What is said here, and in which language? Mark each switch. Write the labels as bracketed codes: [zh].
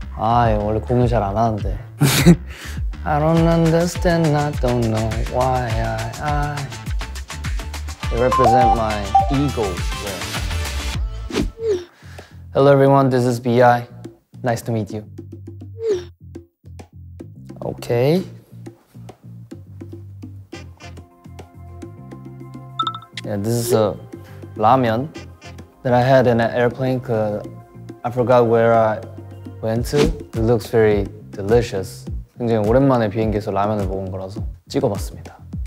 [ko] 아, 이거 원래 공유 잘 안 하는데. [en] I don't understand, I don't know why I represent my ego. Hello everyone, this is BI. Nice to meet you. Okay. Yeah, this is a ramen that I had in an airplane because I forgot where I went to. It looks very delicious. [ko] 굉장히 오랜만에 비행기에서 라면을 먹은 거라서 찍어봤습니다.